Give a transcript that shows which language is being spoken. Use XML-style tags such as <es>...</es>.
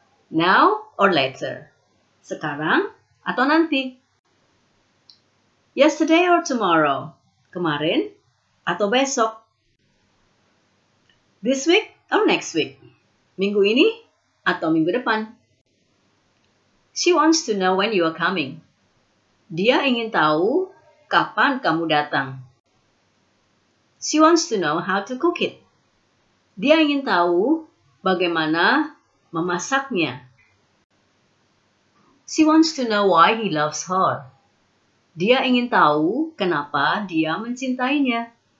<en>Now or later?</en> <id>Sekarang atau nanti?</id> <en>Yesterday or tomorrow?</en> <id>Kemarin atau besok?</id> <en>This week or next week?</en> <id>Minggu ini atau minggu depan?</id> <en>She wants to know when you are coming.</en> <id>Dia ingin tahu kapan kamu datang.</id> <en>She wants to know how to cook it.</en> <id>Dia ingin tahu bagaimana memasaknya.</id> <en>She wants to know why he loves her.</en> <id>Dia ingin tahu kenapa dia mencintainya.</id>